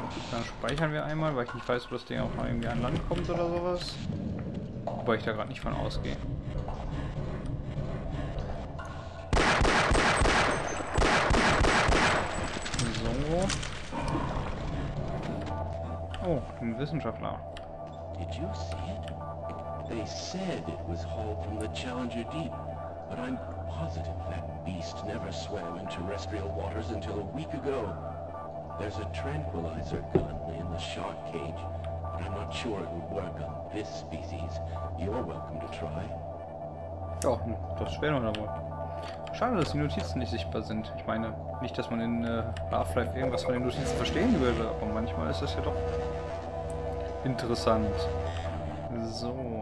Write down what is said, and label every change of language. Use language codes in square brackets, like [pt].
[de] Dann speichern wir einmal, weil ich nicht weiß, ob das Ding auch mal irgendwie an Land kommt oder sowas. Wobei ich da gerade nicht von ausgehe. So. Oh, ein Wissenschaftler. [en] Did you see it? They said it was hauled from the Challenger Deep, but I'm positive that beast never swam in terrestrial waters until a week ago. There's a tranquilizer gun in the shark cage. I'm not sure it would work on this species. You're welcome to try. [de] Ja, das wäre noch einmal. Schade, dass die Notizen nicht sichtbar sind. Ich meine, nicht, dass man in Half-Life irgendwas von den Notizen verstehen würde, aber manchmal ist das ja doch interessant. So.